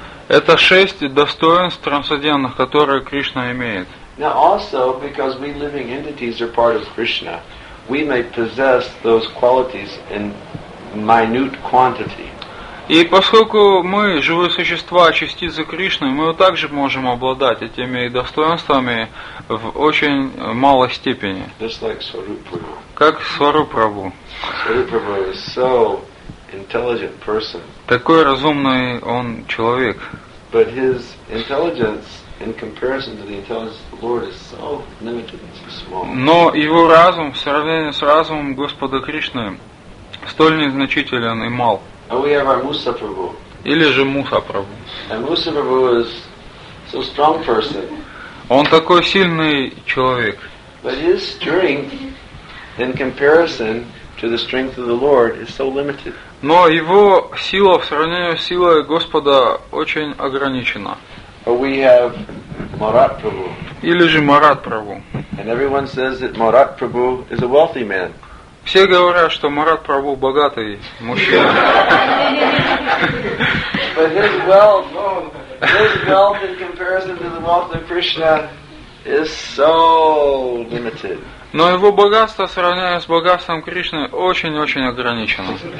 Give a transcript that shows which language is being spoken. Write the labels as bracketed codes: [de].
[ru] Это 6 достоинств трансцендентных, которые Кришна имеет. [en] Now also, because we living entities are part of Krishna, we may possess those qualities in minute quantity. [ru] И поскольку мы живые существа, частицы Кришны, мы также можем обладать этими достоинствами в очень малой степени. [en] Just like Swarupa. [ru] Как Swarupa Prabhu. [en] Swarupa Prabhu is so intelligent person. [ru] Такой разумный он человек. [en] But his intelligence in comparison to the intelligence of the Lord is so limited and so small. [ru] Но его разум в сравнении с разумом Господа Кришны столь незначителен и мал. [en] And we have our Musa Prabhu. [ru] Или же Муса Прабху. [en] And Musa Prabhu is so strong person. [ru] Он такой сильный человек. [en] But his strength in comparison to the strength of the Lord is so limited. [ru] Но его сила в сравнении с силой Господа очень ограничена. [en] Or we have Marat Prabhu. [ru] Или же Марат Прабху. [en] And everyone says that Marat Prabhu is a wealthy man. [ru] Все говорят, что Марат Прабху богатый мужчина. [en] But his wealth in comparison to the wealth of Krishna is so limited. [ru] Но его богатство, сравнивая с богатством Кришны, очень-очень ограничено.